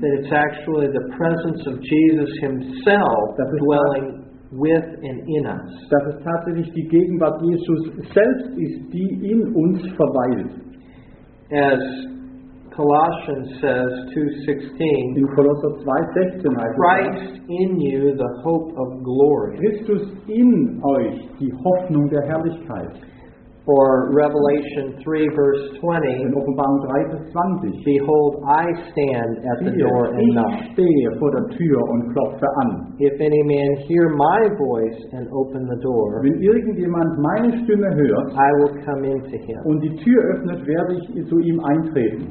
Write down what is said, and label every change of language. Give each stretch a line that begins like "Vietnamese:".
English: that it's actually the presence of Jesus himself dwelling with and in us.
German: Dass es tatsächlich die Gegenwart Jesus selbst ist, die in uns verweilt.
English: As Colossians says 2:16.
German: In Kolosser 2:16 heißt es:
English: Christ in you, the hope of glory.
German: Christus in euch, die Hoffnung der Herrlichkeit.
English: Or Revelation 3:20.
German: In Offenbarung 3:20.
English: Behold, I stand at the door and knock.
German: Ich stehe vor der Tür und klopfe an.
English: If any man hear my voice and open the door,
German: wenn irgendjemand meine Stimme hört,
English: I will come into him.
German: Und die Tür öffnet, werde ich zu ihm eintreten.